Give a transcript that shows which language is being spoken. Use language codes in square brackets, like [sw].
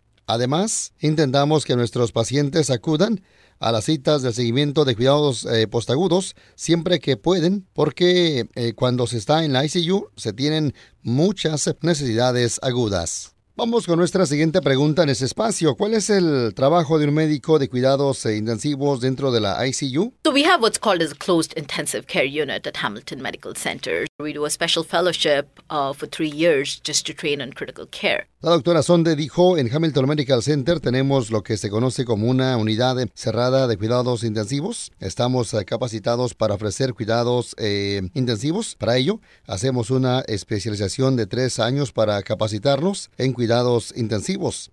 [es] Además, intentamos que nuestros pacientes acudan a las citas de seguimiento de cuidados postagudos siempre que pueden, porque cuando se está en la ICU se tienen muchas necesidades agudas. Vamos con nuestra siguiente pregunta en ese espacio. ¿Cuál es el trabajo de un médico de cuidados intensivos dentro de la ICU? [en] So we have what's called as a closed intensive care unit at Hamilton Medical Center. We do a special fellowship for 3 years just to train on critical care. [es] La doctora Sonde dijo, en Hamilton Medical Center tenemos lo que se conoce como una unidad cerrada de cuidados intensivos. Estamos capacitados para ofrecer cuidados intensivos. Para ello, hacemos una especialización de 3 años para capacitarnos en cuidados intensivos.